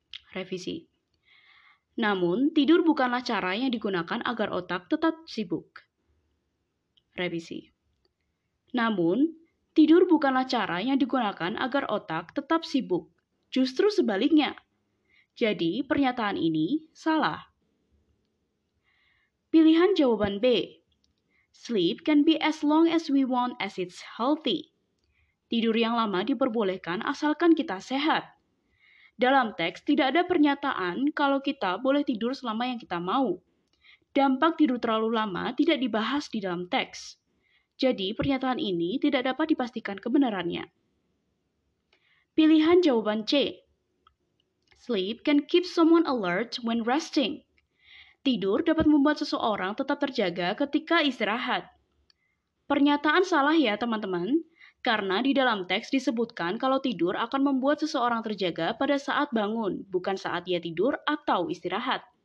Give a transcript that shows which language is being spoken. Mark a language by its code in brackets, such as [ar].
[id] Revisi. Namun, tidur bukanlah cara yang digunakan agar otak tetap sibuk. revisi. Namun, tidur bukanlah cara yang digunakan agar otak tetap sibuk, justru sebaliknya. Jadi, pernyataan ini salah. Pilihan jawaban B. [en] Sleep can be as long as we want as it's healthy. [id] Tidur yang lama diperbolehkan asalkan kita sehat. Dalam teks tidak ada pernyataan kalau kita boleh tidur selama yang kita mau. Dampak tidur terlalu lama tidak dibahas di dalam teks. Jadi pernyataan ini tidak dapat dipastikan kebenarannya. Pilihan jawaban C. [en] Sleep can keep someone alert when resting. [id] Tidur dapat membuat seseorang tetap terjaga ketika istirahat. Pernyataan salah ya teman-teman, karena di dalam teks disebutkan kalau tidur akan membuat seseorang terjaga pada saat bangun, bukan saat ia tidur atau istirahat.